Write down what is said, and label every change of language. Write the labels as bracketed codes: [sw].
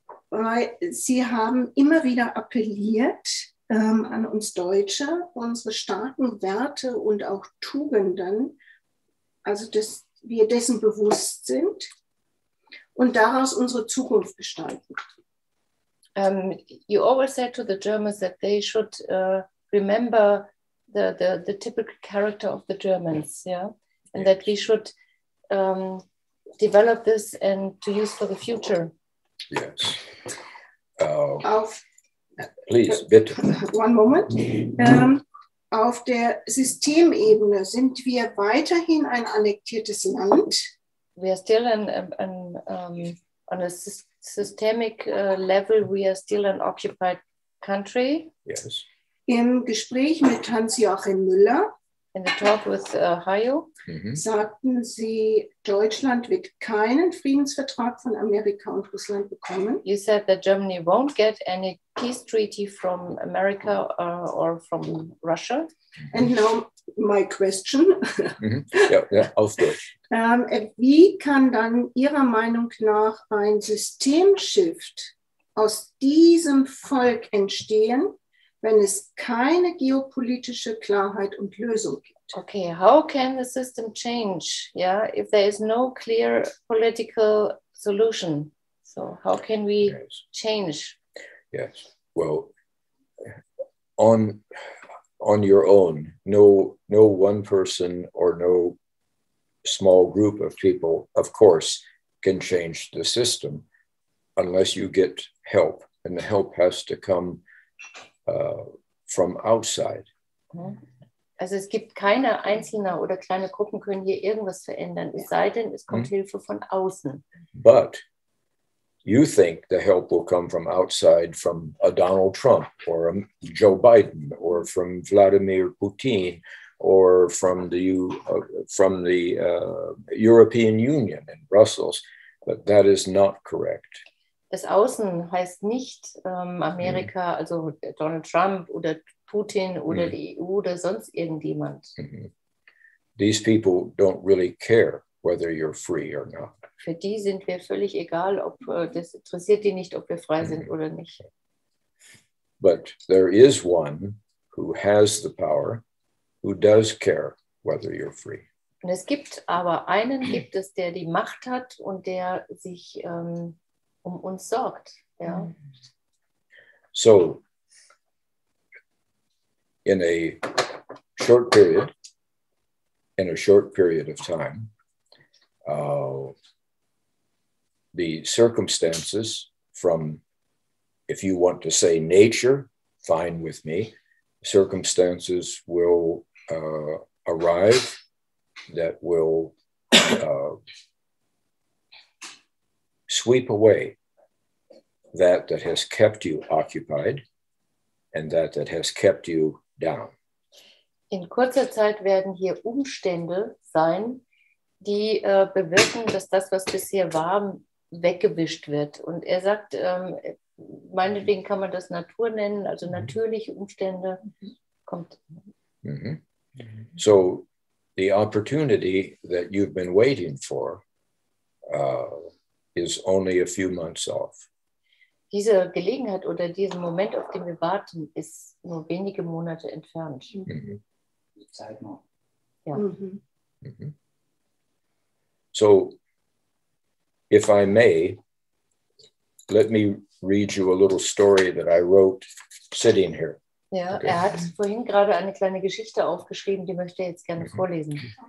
[de] Weil Sie haben immer wieder appelliert an uns Deutsche, unsere starken Werte und auch Tugenden, also dass wir dessen bewusst sind und daraus unsere Zukunft gestalten. [en] You always said to the Germans that they should remember the typical character of the Germans, yeah, and that we should develop this and to use for the future. Yes. [de] Auf, [en] please, bitte. One moment. [de] Auf der Systemebene sind wir weiterhin ein annektiertes Land. [en] We are still on a systemic level. We are still an occupied country. Yes. [de] Im Gespräch mit Hans-Joachim Müller, [en] in the talk with Hayo, [de] sagten sie, Deutschland wird keinen Friedensvertrag von Amerika und Russland bekommen. [en] You said that Germany won't get any peace treaty from America or from Russia. And now my question. [de] Auf Deutsch. Wie kann dann Ihrer Meinung nach ein Systemshift aus diesem Volk entstehen, wenn es keine geopolitische Klarheit und Lösung gibt? [en] Okay, how can the system change, yeah, if there is no clear political solution? So how can we change? Yes, well, on your own, no one person or no small group of people, of course, can change the system unless you get help. And the help has to come from outside. [de] Also es gibt keine einzelne oder kleine Gruppen können hier irgendwas verändern, es sei denn, es kommt Hilfe von außen. [en] But you think the help will come from outside, from a Donald Trump or a Joe Biden or from Vladimir Putin or from the European Union in Brussels, but that is not correct. [de] Das Außen heißt nicht Amerika, also Donald Trump oder Putin oder die EU oder sonst irgendjemand. [en] These people don't really care whether you're free or not. [de] Für die sind wir völlig egal, ob das interessiert die nicht, ob wir frei sind oder nicht. [en] But there is one who has the power, who does care whether you're free. [de] Und es gibt aber einen, gibt es, der die Macht hat und der sich um uns sorgt, ja. [en] So, in a short period of time, the circumstances from, if you want to say nature, fine with me, circumstances will arrive that will sweep away that has kept you occupied and that has kept you down. [de] In kurzer Zeit werden hier Umstände sein, die bewirken, dass das, was bisher war, weggewischt wird. Und er sagt, meinetwegen kann man das Natur nennen, also natürliche Umstände kommt. Mm-hmm. [en] So the opportunity that you've been waiting for is only a few months off. [de] Diese Gelegenheit oder diesen Moment, auf den wir warten, ist nur wenige Monate entfernt. Zeit noch. Ja. [en] So, if I may, let me read you a little story that I wrote sitting here. [de] Ja, okay. Er hat vorhin gerade eine kleine Geschichte aufgeschrieben, die möchte er jetzt gerne vorlesen.